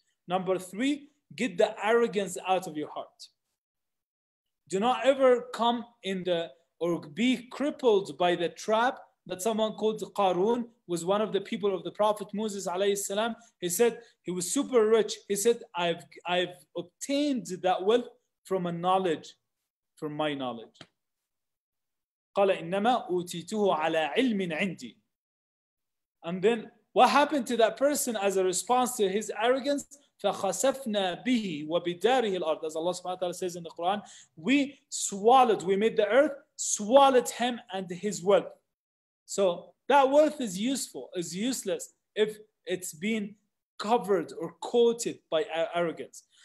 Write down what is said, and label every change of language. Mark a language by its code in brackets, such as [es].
[en] Number three, get the arrogance out of your heart. Do not ever come in the or be crippled by the trap that someone called Qarun was one of the people of the Prophet Moses alayhi salam. He said he was super rich. He said, I've obtained that wealth from my knowledge. [ar] قال إنما أوتيته على علم عندي. [en] And then what happened to that person as a response to his arrogance? [ar] فخسفنا به وبداره الأرض. [en] As Allah subhanahu wa ta'ala says in the Quran, we swallowed, we made the earth, swallowed him and his wealth. So that wealth is useful, is useless if it's been covered or coated by arrogance.